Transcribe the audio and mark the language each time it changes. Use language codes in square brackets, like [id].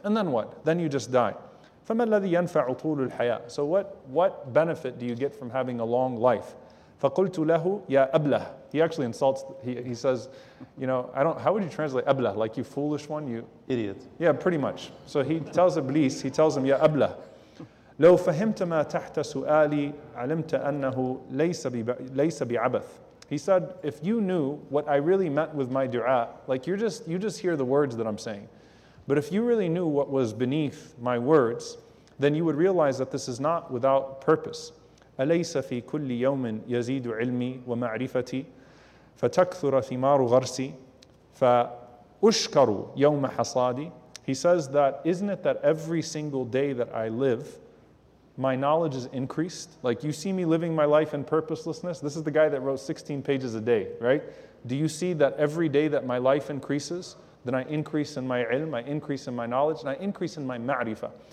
[en] And then what? Then you just die. [ar] فَمَا الَّذِي يَنْفَعُ طُولُ الْحَيَاةِ. [en] So what benefit do you get from having a long life? [ar] فَقُلْتُ لَهُ يَا أَبْلَهُ. [en] He actually insults, he says, you know, I don't, how would you translate أَبْلَهُ? Like, you foolish one, you... Idiot. Yeah, pretty much. So he tells Iblis, he tells him, [ar] يَا أَبْلَهُ. لو فهمت ما تحت سؤالي علمت أنه ليس بعبث. [en] He said, if you knew what I really meant with my dua, like you just hear the words that I'm saying, but if you really knew what was beneath my words, then you would realize that this is not without purpose. [ar] أليس في كل يوم يزيد علمي ومعرفتي فتكثر ثمار غرسي فأشكر يوم حصادي. [en] He says that, isn't it that every single day that I live, my knowledge is increased? Like, you see me living my life in purposelessness? This is the guy that wrote 16 pages a day, right? Do you see that every day that my life increases, then I increase in my ilm, I increase in my knowledge, and I increase in my ma'rifah.